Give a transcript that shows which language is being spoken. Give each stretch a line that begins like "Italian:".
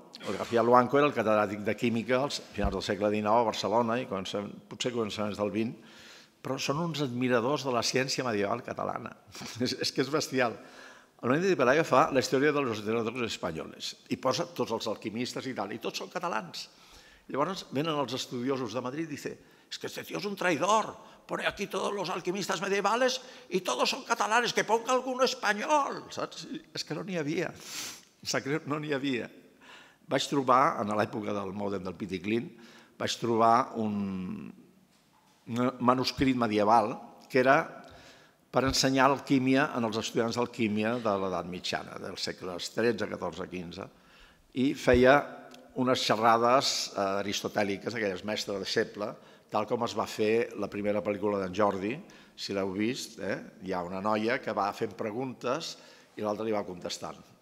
Catalan: El García Luanco era el catedràtic de química als finals del segle XIX a Barcelona i potser començaments del XX, però són uns admiradors de la ciència medieval catalana. És que és bestial. El Menéndez y Pelayo fa la història
Spanish: de los literatos españoles
Catalan: i posa tots els alquimistes i tal, i tots són catalans. Llavors venen els estudiosos de Madrid i diuen:
Spanish: «Es que este tío es un traidor, pone aquí todos los alquimistas medievales y todos son catalanes, que ponga alguno español».
Catalan: Saps? És que no n'hi havia, sacreu, no n'hi havia. Vaig trobar, en l'època del mòdem del Pity Clean, vaig trobar un manuscrit medieval que era per ensenyar alquímia als estudiants d'alquímia de l'edat mitjana, dels segles XIII, XIV, XV, i feia unes xerrades aristotèliques, aquelles mestres de segle, tal com es va fer la primera pel·lícula d'en Jordi, si l'heu vist, hi ha una noia que va fent preguntes i l'altra li va contestant.